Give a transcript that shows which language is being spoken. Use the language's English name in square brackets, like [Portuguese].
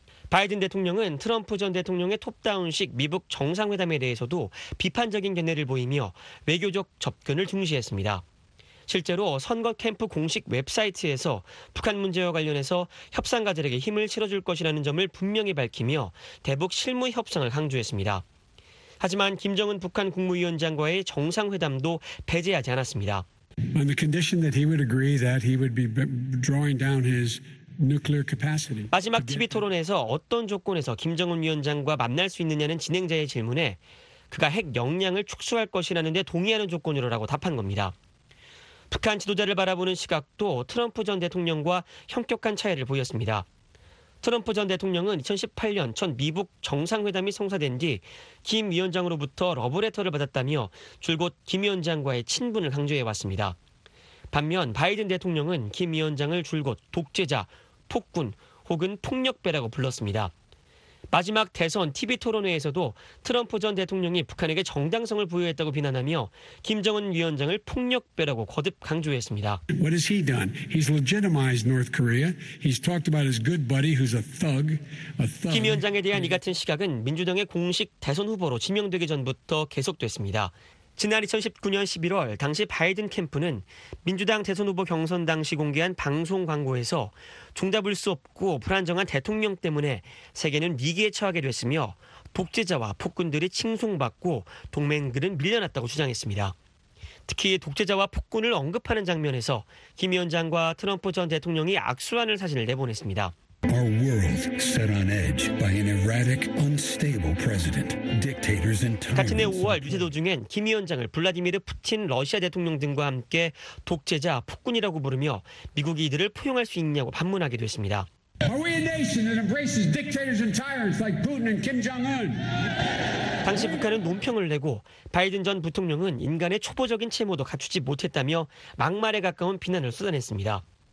[Korean] 바이든 대통령은 트럼프 전 대통령의 톱다운식 미북 정상회담에 대해서도 비판적인 견해를 보이며 외교적 접근을 중시했습니다. 실제로 선거 캠프 공식 웹사이트에서 북한 문제와 관련해서 협상가들에게 힘을 실어줄 것이라는 점을 분명히 밝히며 대북 실무 협상을 강조했습니다. 하지만 김정은 북한 국무위원장과의 정상회담도 배제하지 않았습니다. [English] On the condition that he would agree that he would be drawing down his nuclear capacity. [Korean] 마지막 TV 토론에서 어떤 조건에서 김정은 위원장과 만날 수 있느냐는 진행자의 질문에 그가 핵 역량을 축소할 것이라는 데 동의하는 조건으로라고 답한 겁니다. 북한 지도자를 바라보는 시각도 트럼프 전 대통령과 현격한 차이를 보였습니다. 트럼프 전 대통령은 2018년 첫 미북 정상회담이 성사된 뒤 김 위원장으로부터 러브레터를 받았다며 줄곧 김 위원장과의 친분을 강조해왔습니다. 반면 바이든 대통령은 김 위원장을 줄곧 독재자, 폭군 혹은 폭력배라고 불렀습니다. 마지막 대선 TV 토론회에서도 트럼프 전 대통령이 북한에게 정당성을 부여했다고 비난하며 김정은 위원장을 폭력배라고 거듭 강조했습니다. [English] What has he done? He's legitimized North Korea. He's talked about his good buddy who's a thug. [Korean] 김 위원장에 대한 이 같은 시각은 민주당의 공식 대선 후보로 지명되기 전부터 계속됐습니다. 지난 2019년 11월 당시 바이든 캠프는 민주당 대선 후보 경선 당시 공개한 방송 광고에서 종잡을 수 없고 불안정한 대통령 때문에 세계는 위기에 처하게 됐으며 독재자와 폭군들이 칭송받고 동맹들은 밀려났다고 주장했습니다. 특히 독재자와 폭군을 언급하는 장면에서 김 위원장과 트럼프 전 대통령이 악수하는 사진을 내보냈습니다. [English] Our world set on edge by an erratic, unstable president, dictators and tyrants. [Korean] 같은 해 5월 유세 도중엔 김 위원장을 블라디미르 푸틴 러시아 대통령 등과 함께 독재자, 폭군이라고 부르며 미국이 이들을 포용할 수 있냐고 반문하게 됐습니다. [English] Are we a nation that embraces dictators and tyrants like Putin and Kim Jong-un? [Korean] 당시 북한은 논평을 내고 바이든 전 부통령은 인간의 초보적인 채무도 갖추지 못했다며 막말에 가까운 비난을 쏟아냈습니다.